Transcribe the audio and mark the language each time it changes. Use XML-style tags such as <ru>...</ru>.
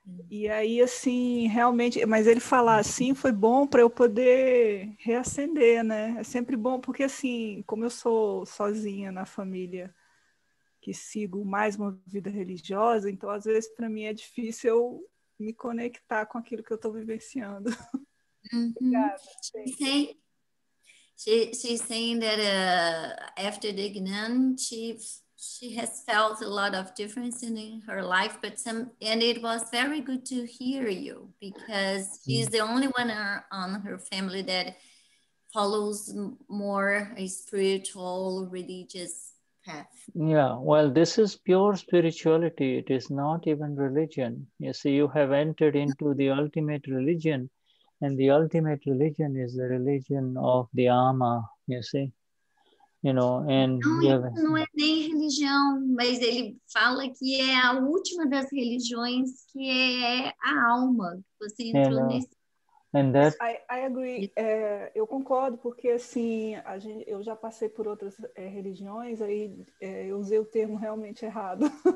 <pt>E aí, assim, realmente, mas ele falar assim foi bom para eu poder reacender, né? É sempre bom, porque assim, como eu sou sozinha na família que sigo mais uma vida religiosa, então às vezes para mim é difícil eu me conectar com aquilo que eu estou vivenciando. Obrigada. Uhum.</pt> <en>She's saying that after the Gnan, she has felt a lot of difference in her life, but some, and it was very good to hear you, because she's the only one on her family that follows more a spiritual religious path. Yeah, well, this is pure spirituality. It is not even religion. You see, you have entered into the ultimate religion, and the ultimate religion is the religion of the Ama, you see. You know, and</en> <pt>não é nem religião, mas ele fala que é a última das religiões, que é a alma. Você entrou nesse.</pt> <en>And that... I agree.</en> <pt>É, eu concordo, porque assim, a gente, eu já passei por outras religiões, aí eu usei o termo realmente errado.</pt>